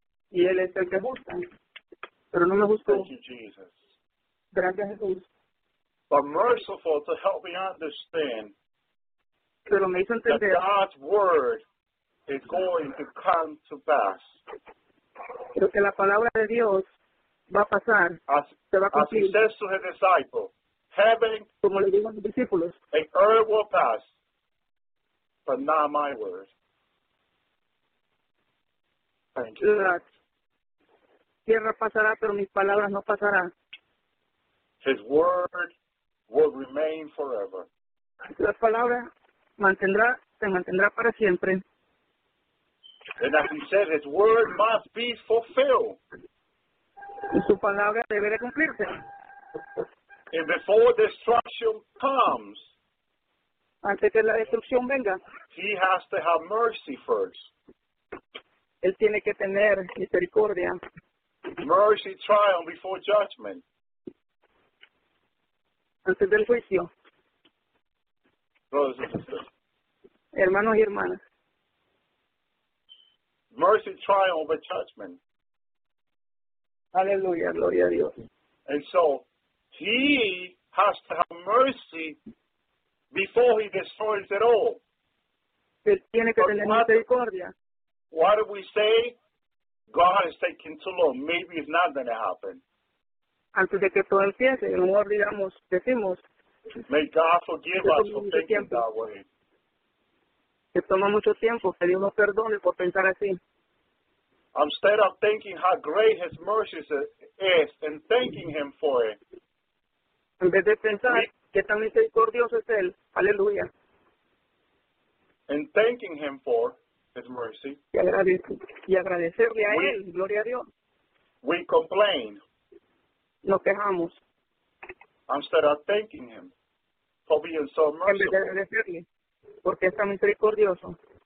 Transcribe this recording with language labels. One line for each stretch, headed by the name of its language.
Spanish: y él es el que busca, pero no me buscó.
English: Thank you, Jesus.
Spanish: Gracias, Jesús.
English: But merciful to help me understand.
Spanish: Pero me hizo entender
English: that God's word is going to come to pass.
Spanish: Pero que la palabra de Dios va a pasar, se va a cumplir.
English: As he says to his disciples. Heaven
Spanish: como le digo a los discípulos,
English: and earth will pass, but not my word. Thank you.
Spanish: La tierra pasará, pero mis palabras no pasará.
English: His word will remain forever.
Spanish: La palabra se mantendrá para siempre.
English: And as he said, his word must be fulfilled.
Spanish: Y su palabra debe de cumplirse.
English: And before destruction comes,
Spanish: antes que la destrucción venga,
English: he has to have mercy first.
Spanish: Él tiene que tener misericordia.
English: Mercy triumph before judgment.
Spanish: Antes del juicio.
English: Brothers and sisters.
Spanish: Hermanos y hermanas.
English: Mercy triumph over judgment.
Spanish: Aleluya, gloria a Dios.
English: And so, he has to have mercy before he destroys it all.
Spanish: tiene que tener misericordia.
English: What do we say? God is taking too long. Maybe it's not going to happen.
Spanish: Antes de que todo empiece, a lo mejor digamos, decimos.
English: May God forgive us for thinking that way.
Spanish: Que toma mucho tiempo, que Dios nos perdone por pensar así.
English: Instead of thinking how great His mercy is and thanking Him for it.
Spanish: En vez de pensar que tan misericordioso es Él, aleluya.
English: And thanking Him for His mercy.
Spanish: Y agradecerle a Él, gloria a Dios.
English: We complain.
Spanish: Nos quejamos.
English: Instead of thanking Him for being so merciful.
Spanish: En vez de agradecerle, porque es tan misericordioso.